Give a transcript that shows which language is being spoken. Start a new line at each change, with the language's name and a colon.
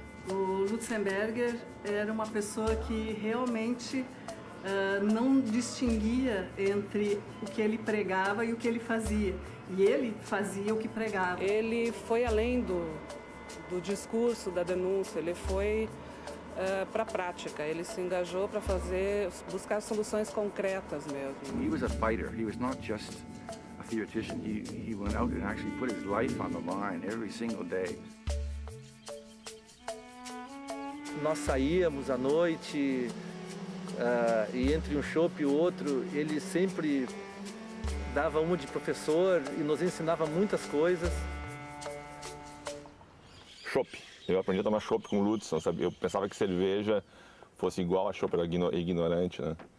Portuguese: O Lutzenberger era uma pessoa que realmente não distinguia entre o que ele pregava e o que ele fazia. E ele fazia o que pregava. Ele foi além do discurso, da denúncia, ele foi para a prática. Ele se engajou para fazer, buscar soluções concretas mesmo.
English: He was a fighter. He was not just a theoretician. He went out and actually put his life on the line every single day.
Portuguese: Nós saíamos à noite e entre um chope e outro, ele sempre dava uma de professor e nos ensinava muitas coisas. Chope. Eu aprendi a tomar chope com o Lutz, sabe? Eu pensava que cerveja fosse igual a chope, era ignorante, né?